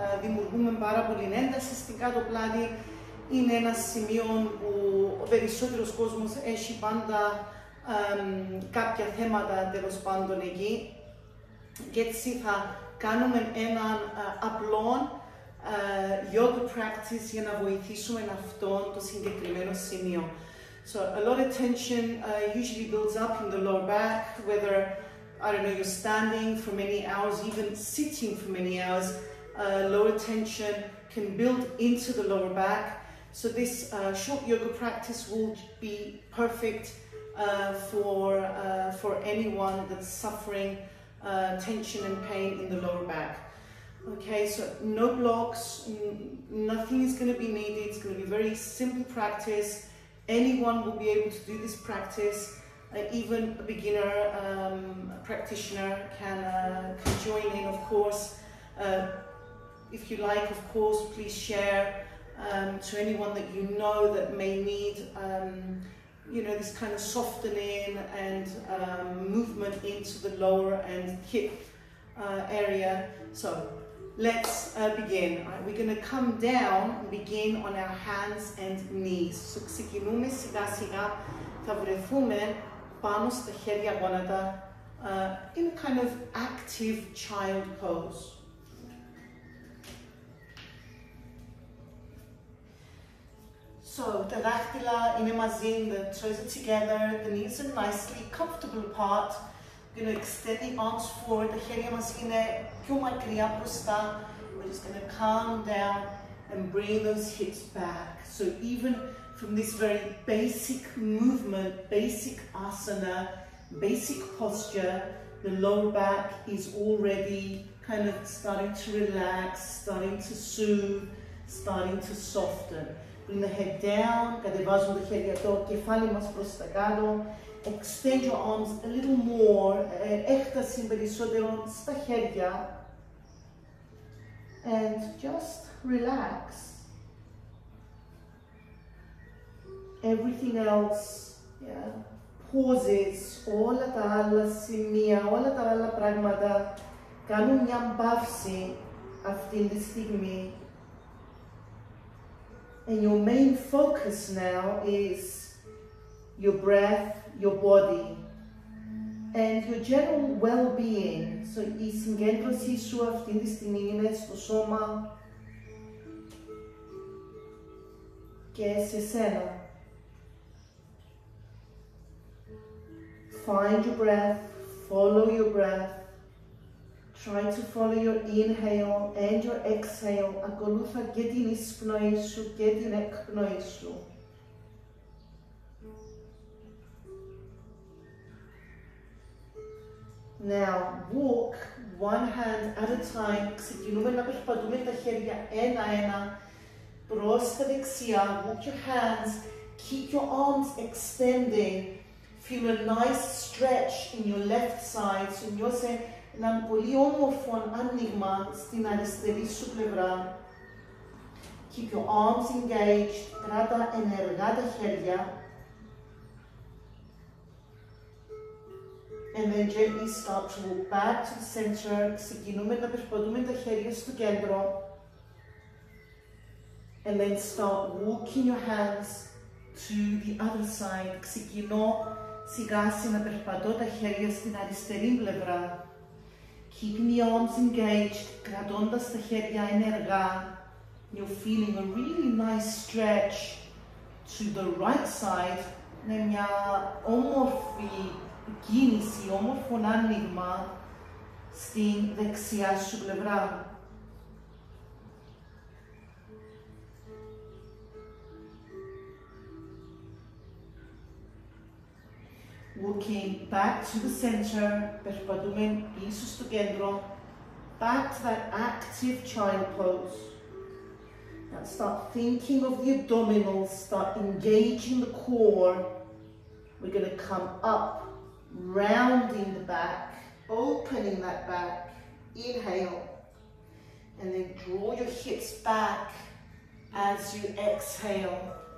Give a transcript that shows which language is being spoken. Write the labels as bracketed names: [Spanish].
[Greek] Δημιουργούμε πάρα πολύ ένταση στην κάτω πλάτη. Είναι ένα σημείο που ο περισσότερος κόσμος έχει πάντα κάποια θέματα, τέλος πάντων, εκεί. Και έτσι θα κάνουμε έναν απλό [English] yoga practice [Greek] για να βοηθήσουμε αυτό το συγκεκριμένο σημείο. [English] So, a lot of tension usually builds up in the lower back, whether, I don't know, you're standing for many hours, even sitting for many hours, lower tension can build into the lower back. So this short yoga practice will be perfect for anyone that's suffering tension and pain in the lower back. Okay, so no blocks, nothing is gonna be needed. It's gonna be very simple practice. Anyone will be able to do this practice. Even a beginner practitioner can join in, of course. If you like, of course, please share to anyone that you know that may need, you know, this kind of softening and movement into the lower and hip area. So let's begin. Right, we're gonna come down and begin on our hands and knees. [Greek] So ξεκινούμε σιγά σιγά, θα βρεθούμε πάνω στα χέρια γόνατα [English] in a kind of active child pose. So the [Greek] δάχτυλα είναι μαζί, [English] the toes are together, the knees are nicely comfortable apart. We're going to extend the arms forward, the χέρια μας είναι πιο μακριά μπροστά. We're just going to calm down and bring those hips back. So even from this very basic movement, basic asana, basic posture, the lower back is already kind of starting to relax, starting to soothe, starting to soften. Bring the head down, [Greek] κατεβάζουμε τα χέρια το κεφάλι μας προς τα κάτω. [English] Extend your arms a little more, [Greek] έκταση περισσότερο στα χέρια. [English] And just relax. Everything else, yeah, pauses, [Greek] όλα τα άλλα σημεία, όλα τα άλλα πράγματα κάνουν μια μπαύση αυτή τη στιγμή. [English] And your main focus now is your breath, your body, and your general well-being. [Greek] So, η συγκέντρωσή σου αυτή τη στιγμή είναι στο σώμα και σε σένα. [English] Find your breath, follow your breath. Try to follow your inhale and your exhale. [Greek] Ακολούθα και την εισπνοή σου και την εκπνοή σου. [English] Now, walk one hand at a time. [Greek] Ξεκινούμε να περπατούμε τα χέρια ένα-ένα προς τα δεξιά. [English] Walk your hands. Keep your arms extending. Feel a nice stretch in your left side. [Greek] So, νιώσε έναν πολύ όμορφο άνοιγμα στην αριστερή σου πλευρά. [English] Keep your arms engaged, [Greek] κράτα ενεργά τα χέρια. [English] And then gently start to walk back to the center. [Greek] Ξεκινούμε να περπατούμε τα χέρια στο κέντρο. [English] And then start walking your hands to the other side. [Greek] Ξεκινώ σιγά σιγά να περπατώ τα χέρια στην αριστερή πλευρά. [English] Keeping the arms engaged, [Greek] κρατώντας τα χέρια ενεργά. [English] You're feeling a really nice stretch to the right side. [Greek] Είναι μια όμορφη κίνηση, όμορφο άνοιγμα στην δεξιά σου πλευρά. [English] Walking back to the center, [Greek] περπατούμε πίσω στο κέντρο, [English] back to that active child pose. Now start thinking of the abdominals, start engaging the core. We're going to come up, rounding the back, opening that back. Inhale. And then draw your hips back as you exhale.